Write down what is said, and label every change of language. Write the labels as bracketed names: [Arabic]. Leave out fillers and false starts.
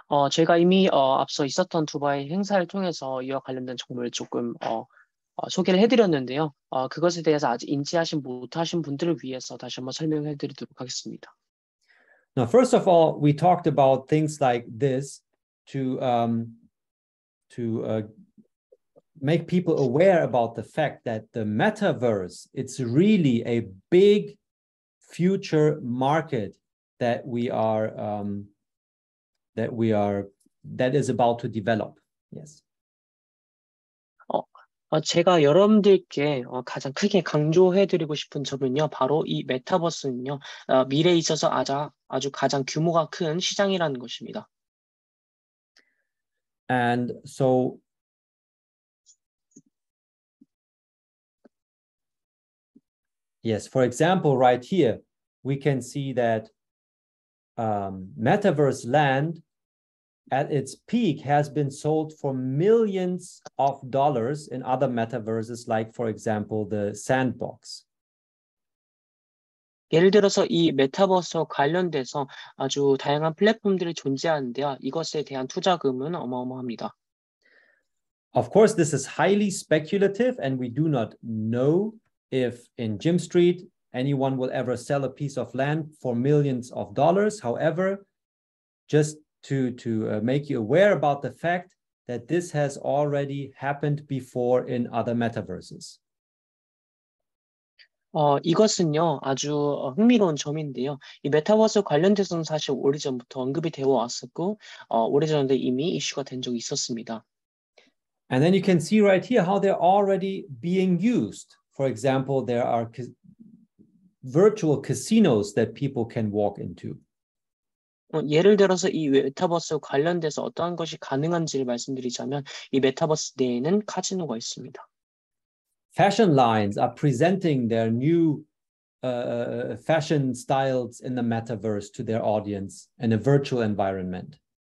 [Korean] 제가 이미 앞서 있었던 두바이 행사를 통해서 이와 관련된 정보를 조금 소개를 해드렸는데요. 그것에 대해서 아직 인지하신 못하신 분들을 위해서 다시 한번 설명해드리도록 하겠습니다. [English] Now, first of all, we talked about things like this to make people aware about the fact that the metaverse, it's really a big future market that we are that is about to develop. Yes. [Korean] 제가 여러분들께 가장 크게 강조해드리고 싶은 점은요, 바로 이 메타버스는요, 미래에 있어서 아주 가장 규모가 큰 시장이라는 것입니다. [English] And so. Yes, for example, right here, we can see that Metaverse land at its peak has been sold for millions of dollars in other metaverses, like, for example, the sandbox. [Korean] 예를 들어서 이 메타버스와 관련돼서 아주 다양한 플랫폼들이 존재하는데요. 이것에 대한 투자금은 어마어마합니다. [English] Of course, this is highly speculative and we do not know if in Jim Street anyone will ever sell a piece of land for millions of dollars. However, just to make you aware about the fact that this has already happened before in other metaverses. [Korean] 이것은요, 아주 흥미로운 점인데요. 이 메타버스 관련돼서는 사실 오래전부터 언급이 되어 왔었고, 오래전에 이미 이슈가 된 적이 있었습니다. [English] And then you can see right here how they're already being used. For example, there are virtual casinos that people can walk into. [Korean] 예를 들어서 이 메타버스 관련돼서 어떠한 것이 가능한지를 말씀드리자면 이 메타버스 내에는 카지노가 있습니다. [English] Fashion lines are presenting their new fashion styles in the metaverse to their audience in a virtual environment.